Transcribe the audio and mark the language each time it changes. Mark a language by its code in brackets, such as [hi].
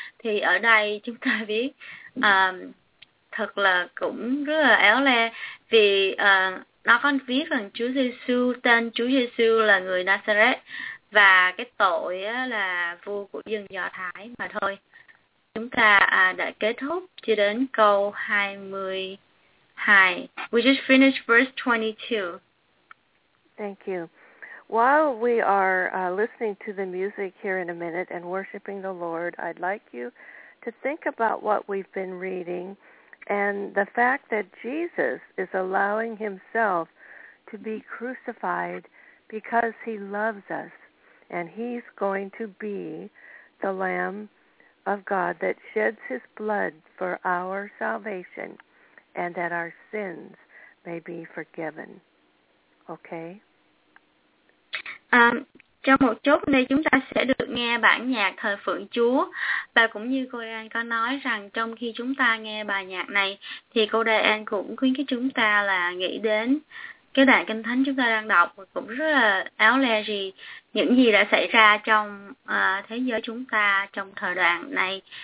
[vi] Thì ở đây chúng ta biết thật là cũng rất là éo le, vì nó có viết rằng Chúa Giê-xu, tên Chúa Giê-xu là người Nazareth và cái tội là vua của dân Do Thái mà thôi. Chúng ta đã kết thúc chưa đến câu 20. [en] Hi, we just finished verse 22. Thank you. While we are listening to the music here in a minute and worshiping the Lord, I'd like you to think about what we've been reading and the fact that Jesus is allowing himself to be crucified because he loves us, and he's going to be the Lamb of God that sheds his blood for our salvation, and that our sins may be forgiven. Okay? [vi] Trong một chút nữa chúng ta sẽ được nghe bản nhạc Thời Phượng Chúa. Và cũng như cô Đại An có nói rằng trong khi chúng ta nghe bài nhạc này, thì cô Đại An cũng khuyến khích chúng ta là nghĩ đến cái đoạn Kinh Thánh chúng ta đang đọc, và cũng rất là éo le gì những gì đã xảy ra trong thế giới chúng ta trong thời đoạn này.